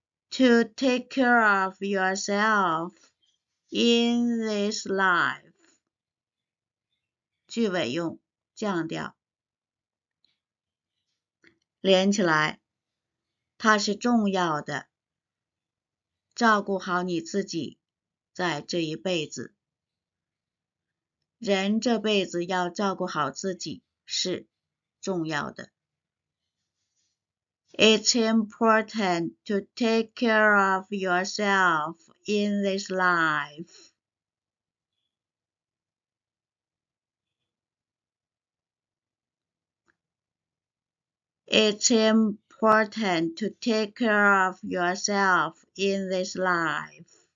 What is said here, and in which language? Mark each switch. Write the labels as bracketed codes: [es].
[en] to take care of yourself in this life [zh] 句尾用降调连起来，它是重要的。照顾好你自己，在这一辈子，人这辈子要照顾好自己是重要的。 [en] It's important to take care of yourself in this life. It's important to take care of yourself in this life.